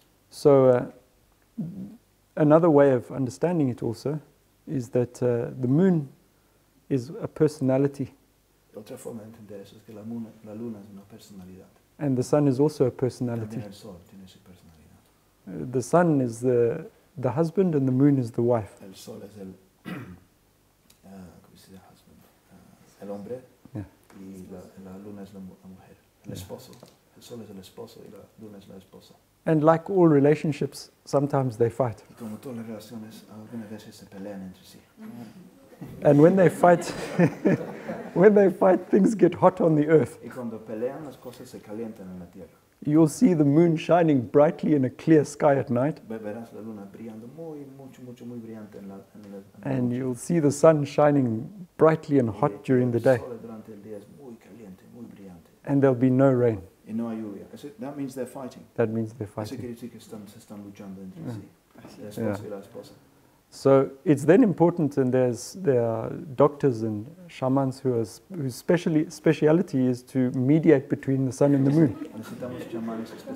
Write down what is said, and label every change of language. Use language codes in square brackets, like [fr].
[en] So another way of understanding it also is that the moon is a personality. [es] Otra forma de entender eso es que la luna es una personalidad. [en] And the sun is also a personality. [es] También el sol tiene su personalidad. [en] The sun is the husband and the moon is the wife. [es] El sol es el ¿cómo se dice? Husband. El hombre. [en] Yeah. [es] Y la luna es la mujer. El esposo. El sol es el esposo y la luna es la esposa. [en] And like all relationships, sometimes they fight. [es] Y como todas las relaciones, algunas veces se pelean entre sí. [en] And when they fight, when they fight, things get hot on the earth. [es] Y cuando pelean, las cosas se calientan en la tierra. [en] You'll see the moon shining brightly in a clear sky at night. [es] Verás la luna brillando muy, mucho, mucho, muy brillante en la noche. [en] And you'll see the sun shining brightly and hot during the day. [es] El sol durante el día es muy caliente, muy brillante. [en] And there'll be no rain. [es] Y no hay lluvia. [en] That means they're fighting. That means they're fighting. [es] Eso quiere decir que se están luchando entre sí. La esposa y la esposa. [en] So it's then important, and there are doctors and shamans whose speciality is to mediate between the sun and the moon.